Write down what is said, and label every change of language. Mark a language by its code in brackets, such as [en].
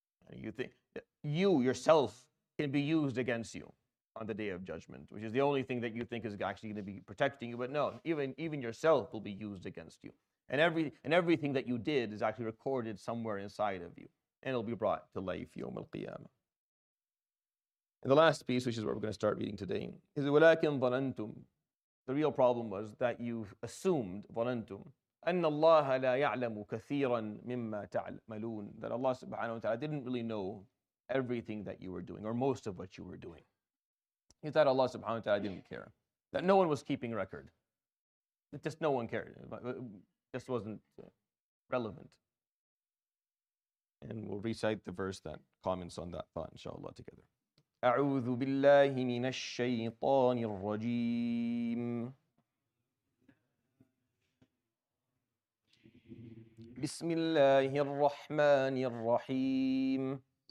[en] And you think that you, yourself, can be used against you on the Day of Judgment, which is the only thing that you think is actually going to be protecting you. But no, even yourself will be used against you. And everything that you did is actually recorded somewhere inside of you. And it'll be brought to life, yawm al-qiyamah. And the last piece, which is what we're going to start reading today, is [ar] وَلَكِنْ ظَنَنْتُمْ. [en] The real problem was that you assumed, [ar] ظَنَنْتُمْ, أَنَّ اللَّهَ لَا يَعْلَمُ كَثِيرًا مِمَّا تَعْلَمَلُونَ. [en] That Allah subhanahu wa ta'ala didn't really know everything that you were doing, or most of what you were doing. You thought Allah subhanahu wa ta'ala didn't care. That no one was keeping record. That just no one cared. It just wasn't relevant. And we'll recite the verse that comments on that thought, inshallah, together. [ar] أعوذ بالله من الشيطان الرجيم. بسم الله الرحمن الرحيم.